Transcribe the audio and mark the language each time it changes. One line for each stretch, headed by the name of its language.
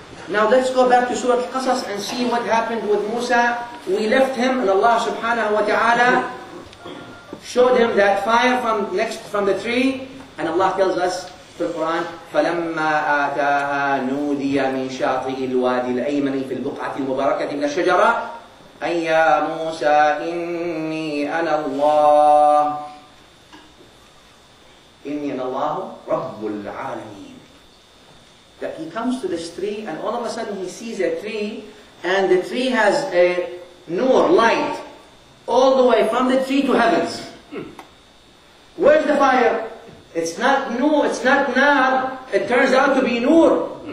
English: Now let's go back to Surah Qasas and see what happened with Musa. We left him and Allah subhanahu wa ta'ala showed him that fire from next from the tree. And Allah tells us in the Quran,
Arabic: فَلَمَّا آتَاهَا نُودِيَ مِنْ شَاطِئِ الْوَادِ الْأَيْمَنِ فِي الْبُقْعَةِ الْمُبَارَكَةِ مِنَ الشَّجَرَةِ أَنْ يَا مُوسَى إِنِّي أَنَا اللَّهُ إِنِّي أَنَا اللَّهُ رَبُّ الْعَالَمِينَ.
English: That he comes to this tree and all of a sudden he sees a tree and the tree has a nur, light, all the way from the tree to heavens. Where's the fire? It's not nur, it's not nar, it turns out to be nur.